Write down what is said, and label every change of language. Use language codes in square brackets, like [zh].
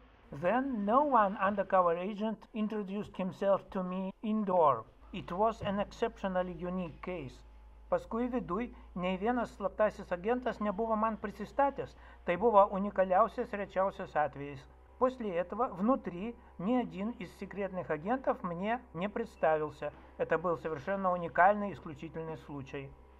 [en] Then no one undercover agent introduced himself to me indoor. It was an exceptionally unique case. [lt] Paskui vidui nei vienas slaptasis agentas nebuvo man prisistatęs, tai buvo unikaliausias, rečiausias atvejis. [ru] После этого внутри ни один из секретных агентов мне не представился. Это был совершенно уникальный, исключительный случай.